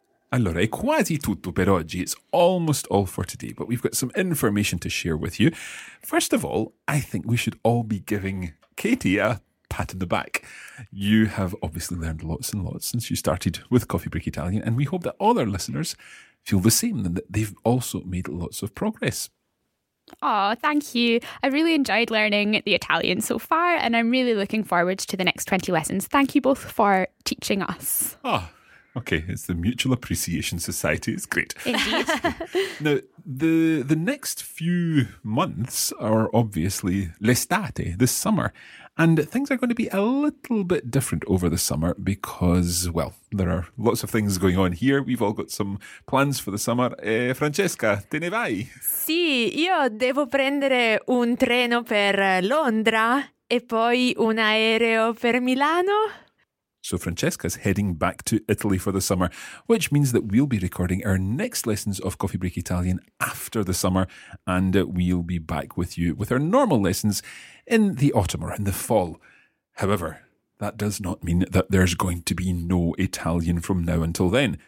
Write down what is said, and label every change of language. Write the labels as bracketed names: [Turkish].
[Italian] Allora, è quasi tutto per oggi. [English] It's almost all for today, but we've got some information to share with you. First of all, I think we should all be giving Katie a pat on the back. You have obviously learned lots and lots since you started with Coffee Break Italian, and we hope that all our listeners feel the same and that they've also made lots of progress. Oh, thank you. I really enjoyed learning the Italian so far, and I'm really looking forward to the next 20 lessons. Thank you both for teaching us. Oh, okay, it's the Mutual Appreciation Society. It's great. Indeed. Now, the next few months are obviously l'estate, the summer. And things are going to be a little bit different over the summer because, well, there are lots of things going on here. We've all got some plans for the summer. [Italian] Francesca, te ne vai? Sì, io devo prendere un treno per Londra e poi un aereo per Milano. [English] So Francesca's heading back to Italy for the summer, which means that we'll be recording our next lessons of Coffee Break Italian after the summer, and we'll be back with you with our normal lessons in the autumn or in the fall. However, that does not mean that there's going to be no Italian from now until then.